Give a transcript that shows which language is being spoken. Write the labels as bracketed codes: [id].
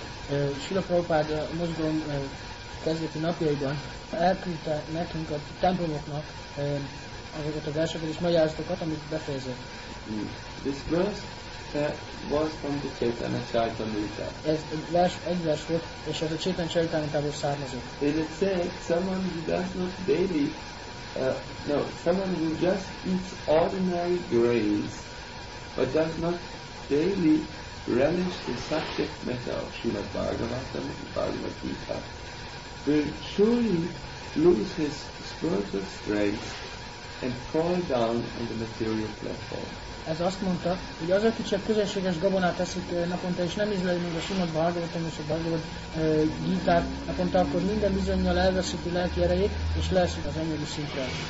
[hu] Srila Prabhupada a mozgalom kezdeti napjaiban elküldte nekünk a templomoknak azokat a versekkel és magyarázatokat, amit befejezett. [en] This verse was from the Chaitanya Charitamrita. [hu] Ez egy vers volt, és ez a Chaitanya Charitamritából származik. [en] And it said, someone who just eats ordinary grains, but does not daily relish the subject matter of Srimad Bhagavatam and Bhagavad Gita, will surely lose his spiritual strength and fall down on the material platform. [hu] Ez azt mondta, hogy az, aki csak közönséges gabonát eszik naponta, és nem ízleli még a Srimad Bhagavatam és a Bhagavad Gita-t naponta, akkor minden bizonnyal elveszik a lelki erejét, és leesik az anyagi szintre.